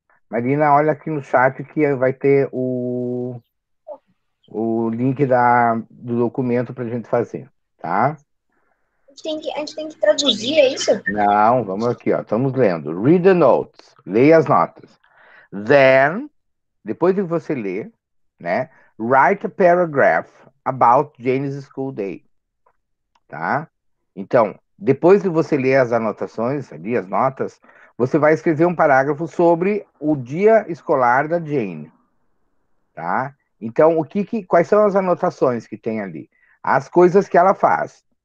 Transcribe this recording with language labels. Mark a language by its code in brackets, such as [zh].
[pt] Marina, olha aqui no chat que vai ter o link do documento para a gente fazer, tá? A gente tem que traduzir, é isso? Não, vamos aqui, ó. Estamos lendo. [en] Read the notes. [pt] Leia as notas. Then, depois de você ler, né? [en] Write a paragraph about Jane's school day. [pt] Tá? Então, depois de você ler as anotações ali, as notas, você vai escrever um parágrafo sobre o dia escolar da Jane. Tá? Então, quais são as anotações que tem ali? As coisas que ela faz.